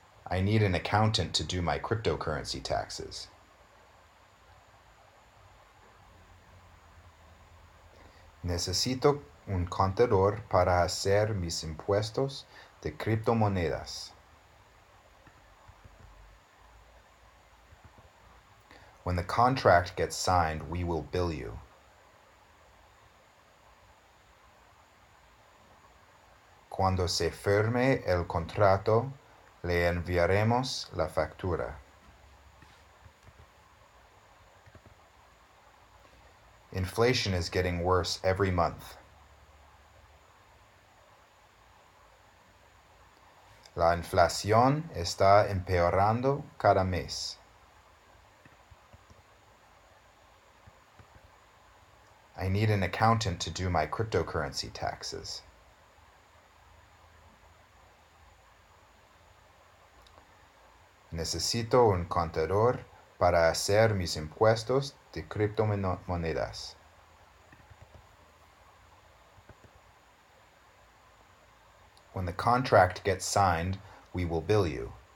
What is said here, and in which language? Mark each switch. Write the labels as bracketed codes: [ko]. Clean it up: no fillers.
[en] I need an accountant to do my cryptocurrency taxes. [es] Necesito un contador para hacer mis impuestos de criptomonedas. [en] When the contract gets signed, we will bill you. [es] Cuando se firme el contrato, le enviaremos la factura. [en] Inflation is getting worse every month. [es] La inflación está empeorando cada mes. [en] I need an accountant to do my cryptocurrency taxes. [es] Necesito un contador para hacer mis impuestos de criptomonedas. [en] When the contract gets signed, we will bill you.